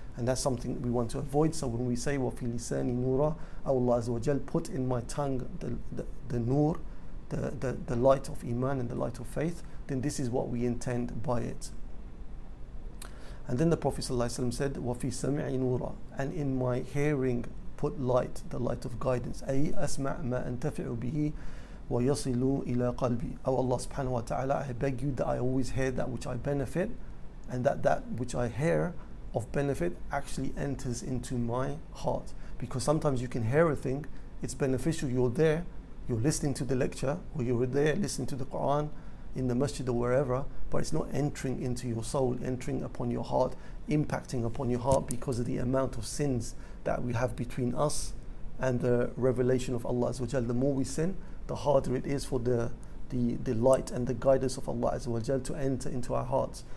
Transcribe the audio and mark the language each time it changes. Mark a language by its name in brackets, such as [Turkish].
[English] And that's something that we want to avoid. So when we say, wa fi lisani nura, Allah azza wa jal, put in my tongue the nur, the light of Iman and the light of faith, then this is what we intend by it. And then the Prophet ﷺ said, [Arabic] وَفِي سَمِعِ نُورًا, [English] and in my hearing put light, the light of guidance. [Arabic] أي أسمع ما أنتفعُ به ويصلُ إلى قلبي. [English] O Allah subhanahu wa ta'ala, I beg you that I always hear that which I benefit, and that which I hear of benefit actually enters into my heart. Because sometimes you can hear a thing, it's beneficial, you're there, you're listening to the lecture, or you're there listening to the Quran in the masjid or wherever, but it's not entering into your soul, entering upon your heart, impacting upon your heart because of the amount of sins that we have between us and the revelation of Allah Azza wa Jal. The more we sin, the harder it is for the light and the guidance of Allah Azza wa Jal to enter into our hearts.